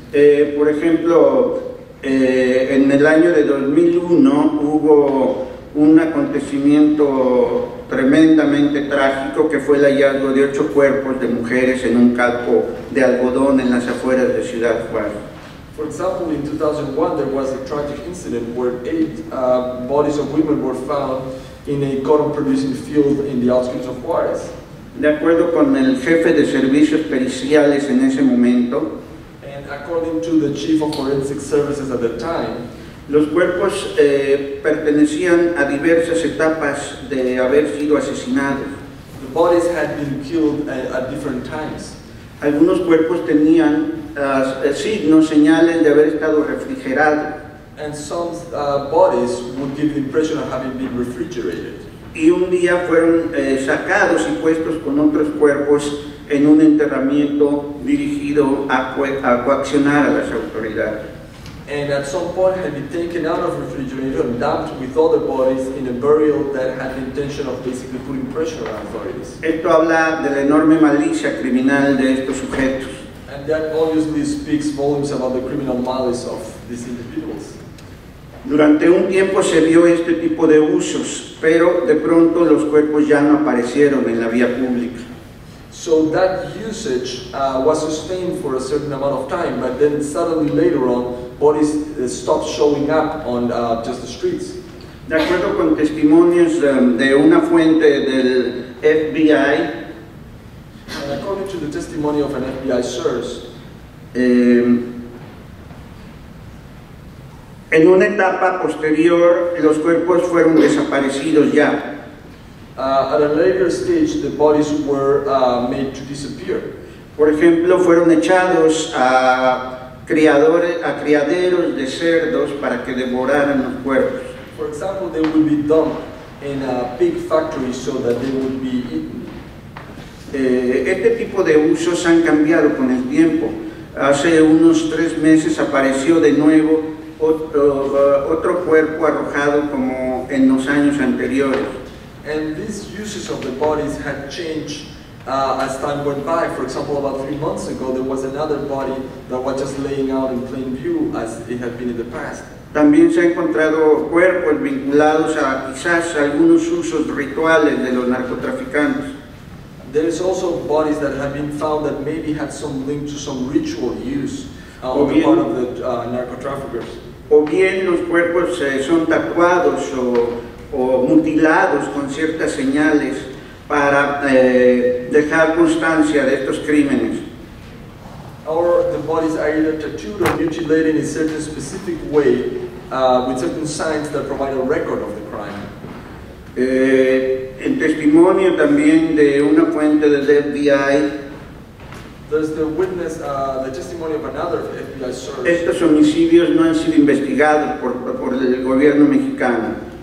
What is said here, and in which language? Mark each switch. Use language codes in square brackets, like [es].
[es] Por ejemplo, en el año de 2001 hubo un acontecimiento tremendamente trágico que fue el hallazgo de 8 cuerpos de mujeres en un campo de algodón en las afueras de Ciudad Juárez. [en] For example, in 2001 there was a tragic incident where 8 bodies of women were found in a cotton producing field in the outskirts of Juárez. [es] De acuerdo con el jefe de servicios periciales en ese momento, [en] and according to the chief of forensic services at the time, [es] los cuerpos pertenecían a diversas etapas de haber sido asesinados. [en] The bodies had been killed at different times. [es] Algunos cuerpos tenían signos, señales de haber estado refrigerados. [en] And some bodies would give the impression of having been refrigerated. [es] Y un día fueron sacados y puestos con otros cuerpos en un enterramiento dirigido a coaccionar a las autoridades. [en] And at some point had been taken out of refrigerator and dumped with other bodies in a burial that had the intention of basically putting pressure on authorities. [es] Esto habla de la enorme malicia criminal de estos sujetos. [en] And that obviously speaks volumes about the criminal malice of these individuals. [es] Durante un tiempo se vio este tipo de usos, pero de pronto los cuerpos ya no aparecieron en la vía pública. [en] So that usage was sustained for a certain amount of time, but then suddenly later on, bodies stopped showing up on just the streets. [es] De acuerdo con testimonios de una fuente del FBI, [en] and according to the testimony of an FBI source, [es] en una etapa posterior, los cuerpos fueron desaparecidos ya. [en] At a later stage, the bodies were made to disappear. [es] Por ejemplo, fueron echados a criaderos de cerdos para que devoraran los cuerpos. [en] For example, they would be dumped in a pig factory so that they would be eaten. [es] Este tipo de usos han cambiado con el tiempo. Hace unos 3 meses apareció de nuevo otro cuerpo arrojado como en los años anteriores. [en] And these uses of the bodies had changed as time went by. For example, about 3 months ago, there was another body that was just laying out in plain view as it had been in the past. [es] También se ha encontrado cuerpos vinculados a quizás algunos usos rituales de los narcotraficantes. [en] There is also bodies that have been found that maybe had some link to some ritual use on the part of the narcotraffickers. [es] O bien los cuerpos son tatuados o mutilados con ciertas señales para dejar constancia de estos crímenes. [en] Or the bodies are either tattooed or mutilated in a certain specific way with certain signs that provide a record of the crime. [es] En testimonio también de una fuente del FBI, [en] there's the witness, the testimony of another FBI source. [es] Estos homicidios no han sido investigados por el gobierno mexicano.